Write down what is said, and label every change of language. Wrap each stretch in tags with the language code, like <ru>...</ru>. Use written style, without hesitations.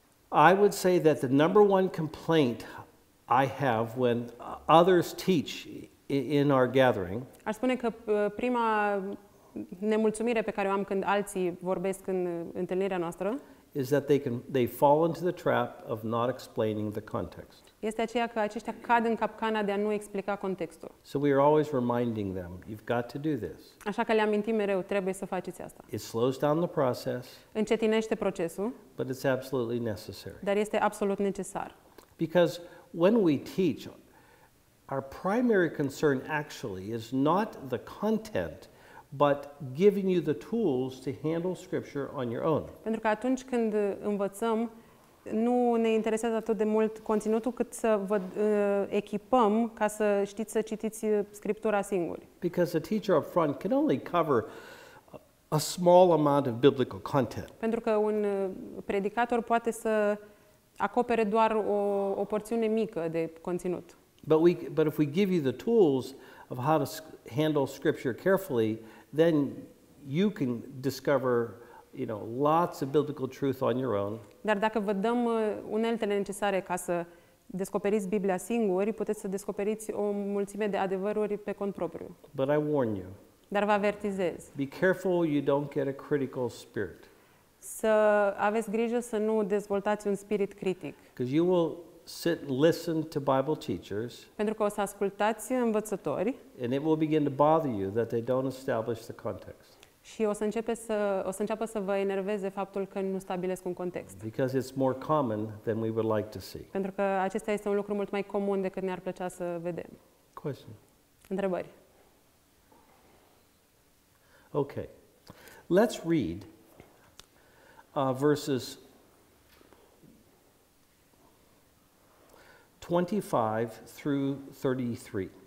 <en>I would say that the number one complaint I have when others teach in our gathering.</en> <ro>Aș spune că prima nemulțumire pe care o am când alții vorbesc în întâlnirea noastră</ro> <en>is that they fall into the trap of not explaining the context.</en> <ro>este aceea că aceștia cad în capcana de a nu explica contextul.</ro> <en>So we are always reminding them, you've got to do this.</en> <ro>Așa că le amintim mereu, trebuie să faceți asta.</ro> <en>It slows down the process.</en> <ro>Încetinește procesul.</ro> <en>But it's absolutely necessary.</en> <ro>Dar este absolut necesar.</ro> <en>Because when we teach, our primary concern actually is not the content, but giving you the tools to handle scripture on your own.</en> <ro>Pentru că atunci când învățăm, nu ne interesează atât de mult conținutul, cât să vă echipăm ca să știți să citiți scriptura singuri.</ro> <en>Because a teacher up front can only cover a small amount of biblical content.</en> <ro>Pentru că un predicator poate să acopere doar o porțiune mică de conținut.</ro> <en>But if we give you the tools of how to handle scripture carefully, then you can discover, you know, lots of biblical truth on your own.</en> <ro>Dar dacă vă dăm uneltele necesare ca să descoperiți Biblia singuri, puteți să descoperiți o mulțime de adevăruri pe cont propriu.</ro> <en>But I warn you.</en> <ro>Dar vă avertizez.</ro> <en>Be careful you don't get a critical spirit.</en> <ro>Să aveți grijă să nu dezvoltați un spirit critic.</ro> <en>Because you will sit and listen to Bible teachers.</en> <ro>Pentru că o să ascultați învățători.</ro> <en>And it will begin to bother you that they don't establish the context.</en> <ro>Și o să înceapă să vă enerveze faptul că nu stabilesc un context.</ro> <en>Because it's more common than we would like to see.</en> <ro>Pentru că acesta este un lucru mult mai comun decât ne-ar plăcea să vedem.</ro> <en>Question.</en> <ro>Întrebări.</ro> <en>Okay. Let's read verses 25 through 33.</en>